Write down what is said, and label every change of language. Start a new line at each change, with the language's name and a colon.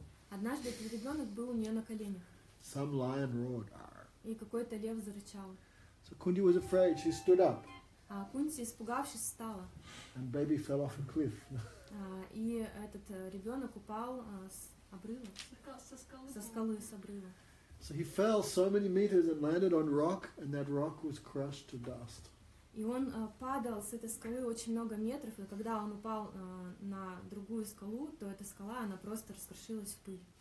Russian: Однажды этот ребенок был у нее на коленях.
English: Some lion roared.
Russian: И какой-то лев зарычал.
English: So Kunti was afraid. She stood up.
Russian: А Кунти, испугавшись, встала.
English: And baby fell off a cliff.
Russian: И этот ребенок упал с обрыва. Со скалы.
English: So he fell so many meters and landed on rock, and that rock was crushed to dust.
Russian: И он падал с этой скалы очень много метров, и когда он упал на другую скалу, то эта скала, она просто раскрошилась в пыль.